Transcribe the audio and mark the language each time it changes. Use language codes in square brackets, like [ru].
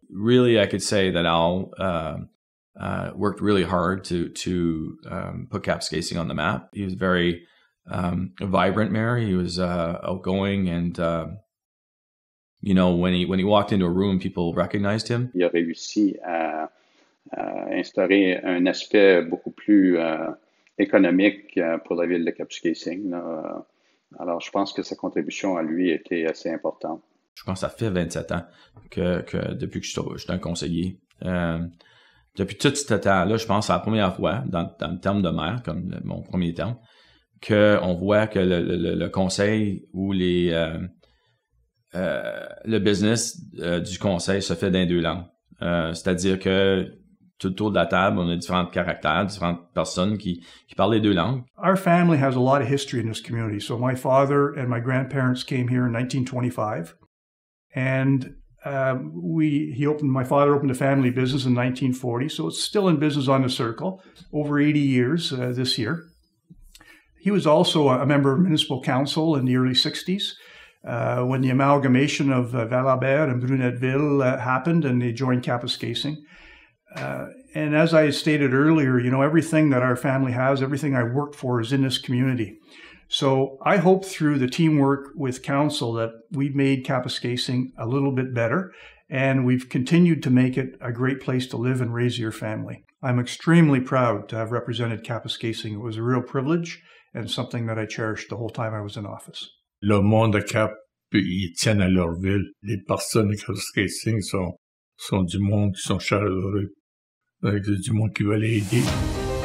[en] Really, I could say that Al worked really hard to put Kapuskasing on the map. He was very vibrant mayor. He was outgoing and... You know, when he walked into a room, people recognized him. [fr] Il a réussi à instaurer un aspect beaucoup plus économique pour la ville de Kapuskasing. Alors, je pense que sa contribution à lui était assez importante. Je pense que ça fait 27 ans que depuis que je suis un conseiller. depuis tout ce temps-là, je pense que c'est la première fois, dans le terme de maire, comme mon premier terme, qu'on voit que le conseil ou le business du conseil se fait dans deux langues. C'est-à-dire que tout autour de la table, on a différents caractères, différentes personnes qui parlent les deux langues. [en] Our family has a lot of history in this community. So my father and my grandparents came here in 1925. And my father opened a family business in 1940. So it's still in business on the circle, over 80 years this year. He was also a member of municipal council in the early 60s. When the amalgamation of Val-Albert and Brunetteville happened and they joined Kapuskasing. And as I stated earlier, you know, everything that our family has, everything I work for is in this community. So I hope through the teamwork with council that we've made Kapuskasing a little bit better and we've continued to make it a great place to live and raise your family. I'm extremely proud to have represented Kapuskasing. It was a real privilege and something that I cherished the whole time I was in office. [fr] Le monde de Cap, ils tiennent à leur ville. Les personnes de Kapuskasing sont du monde qui sont chaleureux, du monde qui veulent aider.